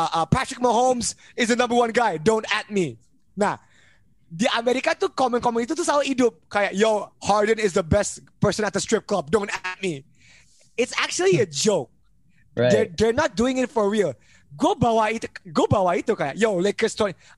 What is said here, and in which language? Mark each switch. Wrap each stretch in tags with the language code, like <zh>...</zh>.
<en>Patrick Mahomes is the number one guy, don't at me.</en> <id>Nah, di Amerika tuh komen-komen itu tuh selalu hidup. Kayak,</id> <en>yo, Harden is the best person at the strip club, don't at me. It's actually a joke. Right. They're not doing it for real.</en> <id>Gue bawa itu kayak, yo, Lakers 20.</id>